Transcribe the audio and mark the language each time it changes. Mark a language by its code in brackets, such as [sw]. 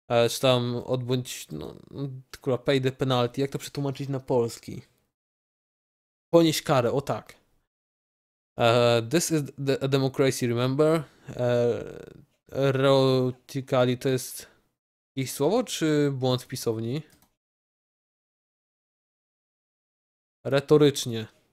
[pl] Czy tam odbądź, no, kurwa, [en] pay the penalty. [pl] Jak to przetłumaczyć na polski? Ponieść karę, o tak. [en] This is the democracy, remember? [pl] Erotically to jest jakieś słowo czy błąd w pisowni? Retorycznie.